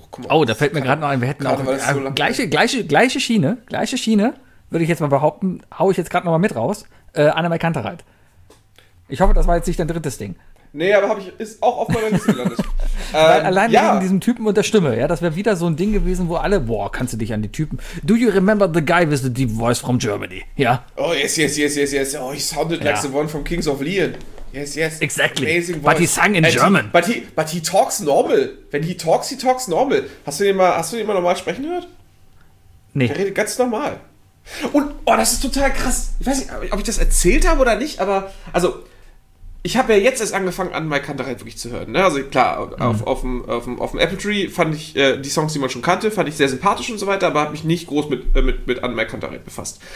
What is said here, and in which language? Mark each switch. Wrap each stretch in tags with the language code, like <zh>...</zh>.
<de>Oh, da fällt mir gerade noch ein, wir hätten auch gleiche Schiene, würde ich jetzt mal behaupten, haue ich jetzt gerade nochmal mit raus, Annemarie Kantereit. Ich hoffe, das war jetzt nicht dein drittes Ding. Nee, aber ist auch auf meiner Liste gelandet. allein ja. Wegen diesem Typen und der Stimme, ja, das wäre wieder so ein Ding gewesen, wo alle, boah, kannst du dich an die Typen.</de> <en>Do you remember the guy with the deep voice from Germany?</en> <de>Ja.</de> <en>Oh, yes. Oh, he sounded like the one from Kings of Leon. Yes. Exactly. Amazing voice. But he sang in German. But he talks normal. When he talks normal.</en> <de>Hast du den mal normal sprechen gehört? Nee. Der redet ganz normal. Und, oh, das ist total krass. Ich weiß nicht, ob ich das erzählt habe oder nicht, aber, also, ich habe ja jetzt erst angefangen, an Mike Kantereit wirklich zu hören. Ne? Also, klar, auf dem Apple Tree fand ich die Songs, die man schon kannte, fand ich sehr sympathisch und so weiter, aber habe mich nicht groß mit an Mike Kantereit befasst.</de>